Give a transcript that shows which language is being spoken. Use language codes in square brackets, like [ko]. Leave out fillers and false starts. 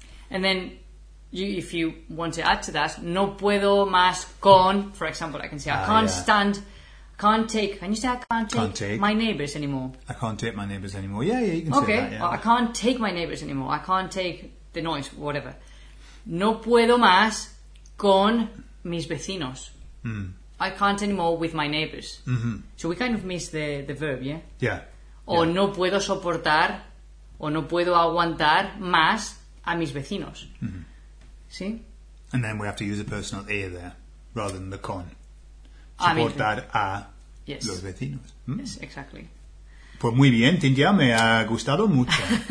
[en] And then, if you want to add to that, [es] no puedo más con, [en] for example, I can say, I can't stand, can't take, can you say, I can't take my neighbours anymore? I can't take my neighbours anymore. Yeah, yeah, you can okay. say that. Okay, yeah. I can't take my neighbours anymore. I can't take the noise, whatever. [es] No puedo más con mis vecinos. Mm. [en] I can't anymore with my neighbours. Mm-hmm. So we kind of miss the verb, yeah? Yeah. [es] Or no puedo soportar, o no puedo aguantar más a mis vecinos. Mm-hmm. [en] See? And then we have to use a personal a there, rather than the con. [es] Soportar a [en] yes. [es] los vecinos. [en] Mm. Yes, exactly. [es] Pues muy bien, Tintia, me ha gustado mucho.